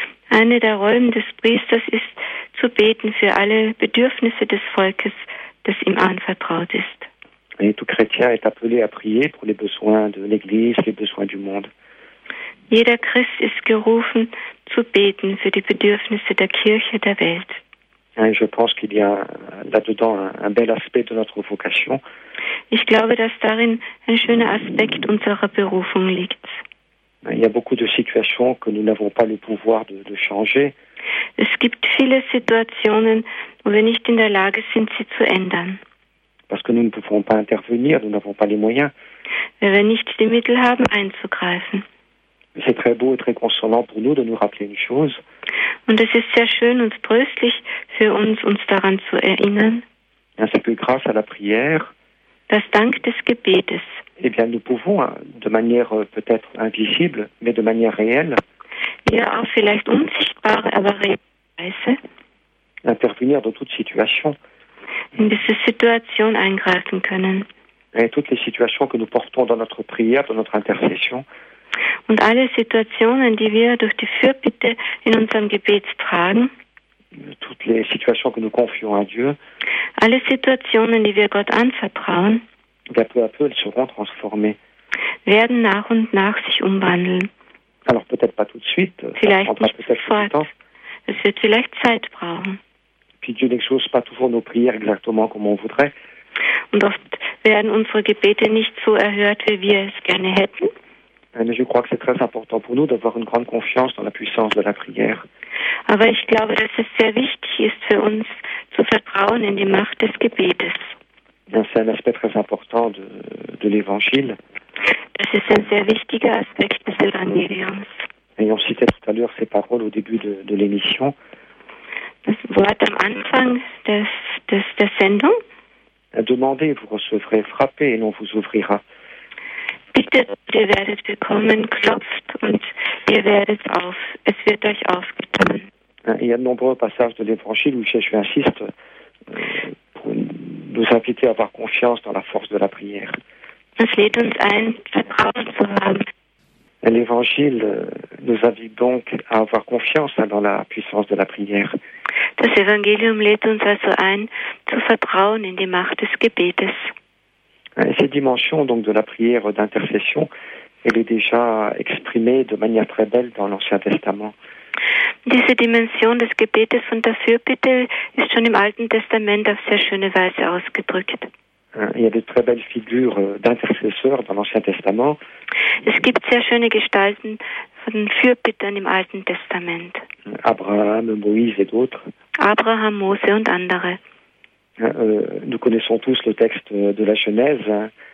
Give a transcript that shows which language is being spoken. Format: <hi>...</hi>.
<de>Eine der Rollen des Priesters ist, zu beten für alle Bedürfnisse des Volkes, das ihm anvertraut ist.</de> <fr>Et tout chrétien est appelé à prier pour les besoins de l'Église, les besoins du monde.</fr> <de>Jeder Christ ist gerufen, zu beten für die Bedürfnisse der Kirche, der Welt.</de> <fr>Je pense qu'il y a là-dedans un bel aspect de notre vocation.</fr> <de>Ich glaube, dass darin ein schöner Aspekt unserer Berufung liegt.</de> <fr>Il y a beaucoup de situations que nous n'avons pas le pouvoir de changer.</fr> <de>Es gibt viele Situationen, wo wir nicht in der Lage sind, sie zu ändern.</de> <fr>Parce que nous ne pouvons pas intervenir, nous n'avons pas les moyens.</fr> <de>Weil wir nicht die Mittel haben, einzugreifen.</de> <fr>C'est très beau et très consolant pour nous de nous rappeler une chose.</fr> <de>Und es ist sehr schön und tröstlich für uns daran zu erinnern.</de> <fr>C'est que grâce à la prière,</fr> <de>dass dank des Gebetes,</de> <fr>eh bien, nous pouvons, de manière peut-être invisible, mais de manière réelle,</fr> <de>ja, auch vielleicht unsichtbar, aber realweise,</de> <fr>intervenir dans toute situation.</fr> <de>In diese Situation eingreifen können.</de> <fr>Et toutes les situations que nous portons dans notre prière, dans notre intercession.</fr> <de>Und alle Situationen, die wir durch die Fürbitte in unserem Gebet tragen.</de> <fr>Toutes les situations que nous confions à Dieu.</fr> <de>Alle Situationen, die wir Gott anvertrauen.</de> <fr>Peu à peu, elles seront transformées.</fr> <de>Werden nach und nach sich umwandeln.</de> <fr>Alors peut-être pas tout de suite.</fr> <de>Vielleicht nicht sofort. Es wird vielleicht Zeit brauchen.</de> <fr>Puis Dieu n'exauce pas toujours nos prières exactement comme on voudrait.</fr> <de>Und oft werden unsere Gebete nicht so erhört, wie wir es gerne hätten.</de> <fr>Mais je crois que c'est très important pour nous d'avoir une grande confiance dans la puissance de la prière.</fr> <de>Aber ich glaube, dass es sehr wichtig ist für uns zu vertrauen in die Macht des Gebetes.</de> <fr>C'est un aspect très important de l'Évangile.</fr> <de>Das ist ein sehr wichtiger Aspekt des Evangeliums.</de> <fr>Et on citait tout à l'heure ces paroles au début de l'émission.</fr> <de>Das Wort am Anfang der Sendung.</de> <fr>Demandez, vous recevrez, frappez et l'on vous ouvrira.</fr> <de>Bitte, ihr werdet bekommen, klopft und ihr werdet auf, es wird euch aufgetan.</de> <fr>Il y a de nombreux passages de l'Évangile où Jésus insiste pour nous inviter à avoir confiance dans la force de la prière.</fr> <de>Es lädt uns ein, Vertrauen zu haben.</de> <fr>L'Évangile nous invite donc à avoir confiance dans la puissance de la prière.</fr> <de>Das Evangelium lädt uns also ein, zu vertrauen in die Macht des Gebetes.</de> <fr>Cette dimension donc de la prière d'intercession, elle est déjà exprimée de manière très belle dans l'Ancien Testament.</fr> <de>Diese Dimension des Gebetes und der Fürbitte ist schon im Alten Testament auf sehr schöne Weise ausgedrückt.</de> <fr>Il y a de très belles figures d'intercesseurs dans l'Ancien Testament.</fr> <de>Es gibt sehr schöne Gestalten von Fürbittern im Alten Testament.</de> <fr>Abraham, Moïse et d'autres.</fr> <de>Abraham, Mose und andere.</de> <fr>Nous connaissons tous le texte de la Genèse.</fr>